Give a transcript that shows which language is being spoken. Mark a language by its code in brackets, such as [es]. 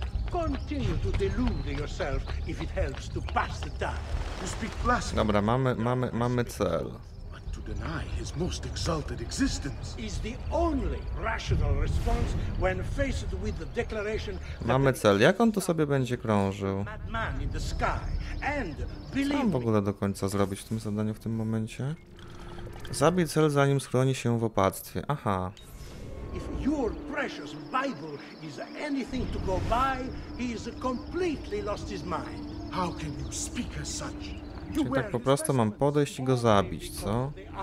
[en] Continue to delude yourself if it helps to pass the time. You speak blasphemy. [pl] Dobra, mamy cel. [en] But to deny his most exalted existence is the only rational response when faced with the declaration. [pl] Mamy cel. Jak on tu sobie będzie krążył? [en] Madman in the sky. [pl] Co mam w ogóle do końca zrobić w tym zadaniu w tym momencie? Zabij cel, zanim schroni się w opactwie. Aha. [en] If your precious Bible is anything to go by, he is completely lost his mind. How can you speak as such? [pl] Czyli tak po prostu mam podejść i go zabić, co?